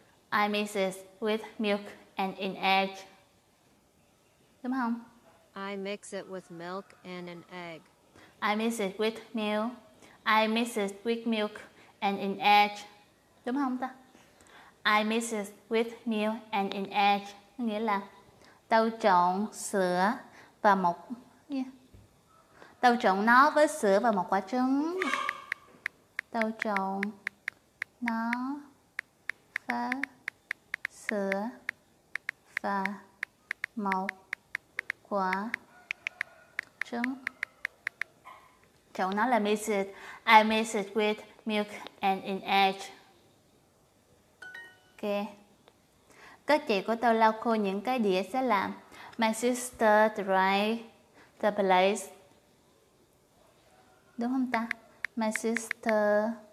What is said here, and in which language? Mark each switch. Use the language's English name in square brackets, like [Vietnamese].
[English] I mix it with milk and an egg. [Vietnamese] Đúng không? [English] I mix it with milk and an egg. I mix it with milk. I mix it with milk and an egg. [Vietnamese] Đúng không ta? [English] I mix it with milk and an egg. [Vietnamese] Nghĩa là tao trộn sữa và một tao trộn nó với sữa và một quả trứng. Tao trộn nó với sữa và một quả trứng. Trộn nó là mix it. [English] I mix it with milk and an egg. Ok. [Vietnamese] Các chị của tôi lau khô những cái đĩa sẽ làm. [English] My sister dry the plates. [Vietnamese] Đúng không ta? [English] My sister.